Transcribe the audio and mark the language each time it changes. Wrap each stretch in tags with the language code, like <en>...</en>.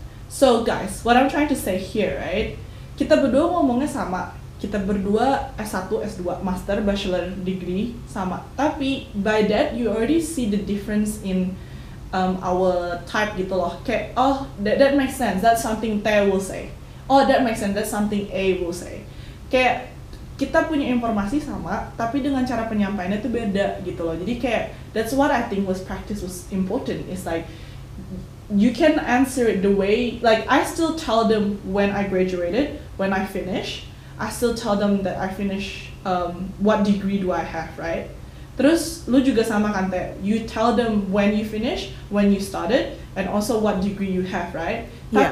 <en>So guys, what I'm trying to say here, right?</en> <id>Kita berdua ngomongnya sama. Kita berdua S1, S2, master, bachelor, degree, sama.</id> <en>Tapi by that, you already see the difference in our type gitu loh. Kayak, oh, that makes sense. That's something T will say. Oh, that makes sense. That's something A will say.</en> <id>Kayak, kita punya informasi sama, tapi dengan cara penyampaiannya itu beda gitu loh. Jadi kayak,</id> <en>that's what I think was practice was important. It's like, you can answer it the way, like, I still tell them when I graduated, when I finish. I still tell them that I finish, what degree do I have, right?</en> <id>Terus lu juga sama kan Teh,</id> <en>you tell them when you finish, when you started, and also what degree you have, right? Yeah.</en>